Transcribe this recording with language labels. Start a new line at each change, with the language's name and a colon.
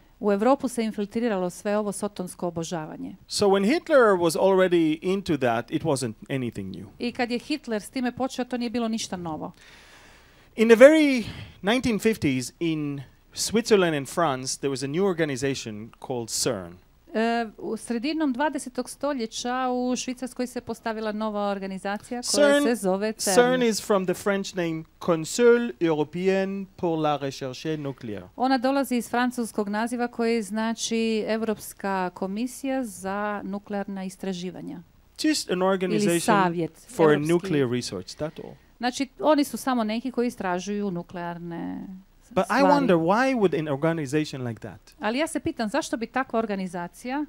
Croatian: U Evropu se infiltriralo sve ovo sotonsko obožavanje.
English: So when Hitler was already into that, it wasn't anything new.
Croatian: I kad je Hitler s time počeo, to nije bilo ništa novo.
English: In the very 1950s in Switzerland and France there was a new organization called CERN.
Croatian: U sredinom 20. stoljeća u Švicarskoj se postavila nova organizacija koja CERN, se zove CERN.
English: CERN is from the French name Conseil Européen pour la Recherche Nucléaire.
Croatian: Ona dolazi iz francuskog naziva koji znači Evropska komisija za nuklearna istraživanja.
English: Just an organization
Croatian: ili savjet
English: for
Croatian: evropski.
English: A nuclear research, that's all.
Croatian: Znači, oni su samo neki koji istražuju nuklearne stvari.
English: But I wonder why would an organization like that?
Croatian: Ali ja se pitam zašto bi takva organizacija